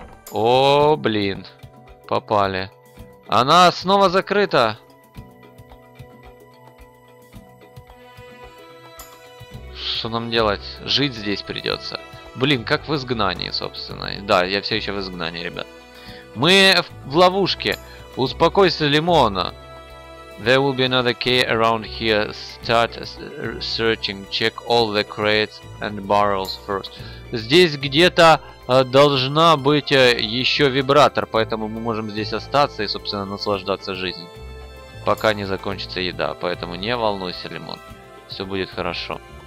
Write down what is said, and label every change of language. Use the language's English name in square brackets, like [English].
[Russian] О, блин. Попали. Она снова закрыта. Что нам делать? Жить здесь придется. Блин, как в изгнании, собственно. Да, я все еще в изгнании, ребят. Мы в ловушке. Успокойся, Лимона. [English] There will be another key around here. Start searching. Check all the crates and barrels first. [Russian] Здесь где-то должна быть еще вибратор, поэтому мы можем здесь остаться и, собственно, наслаждаться жизнью. Пока не закончится еда. Поэтому не волнуйся, Лимон. Все будет хорошо.